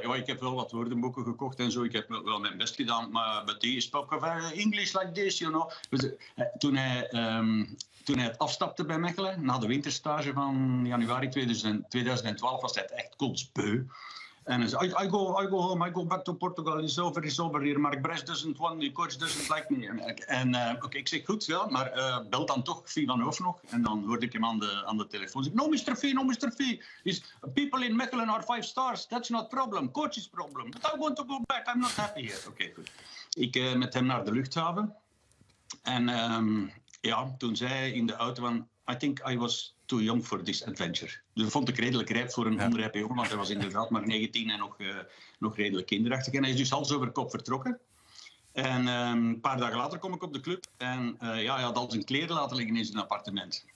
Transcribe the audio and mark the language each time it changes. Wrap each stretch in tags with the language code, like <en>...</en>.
<nl>Ja, ik heb wel wat woordenboeken gekocht en zo. Ik heb wel mijn best gedaan, maar die sprak van</nl> <en>English like this, you know.</en> <nl>Dus, toen hij het afstapte bij Mechelen, na de winterstage van januari 2012, was hij het echt kotsbeu. En hij zei,</nl> <en>I go home, I go back to Portugal, it's over here. Mark Brest doesn't want, the coach doesn't like me.</en> <nl>En ik zeg, goed, ja, maar bel dan toch Fie van Hoof nog. En dan hoorde ik hem aan de telefoon.</nl> <en>Zeg, no, Mr. Fie. He's, people in Mechelen are 5 stars, that's not problem, coach is problem. But I want to go back, I'm not happy here.</en> <nl>Oké, goed. Ik met hem naar de luchthaven. En toen zei hij in de auto van,</nl> <en>I think I was too young for this adventure.</en> <nl>Dus dat vond ik redelijk rijp voor een onrijpe jongen, want hij was inderdaad maar 19 en nog redelijk kinderachtig. En hij is dus hals over kop vertrokken. En een paar dagen later kom ik op de club en hij had al zijn kleren laten liggen in zijn appartement.</nl>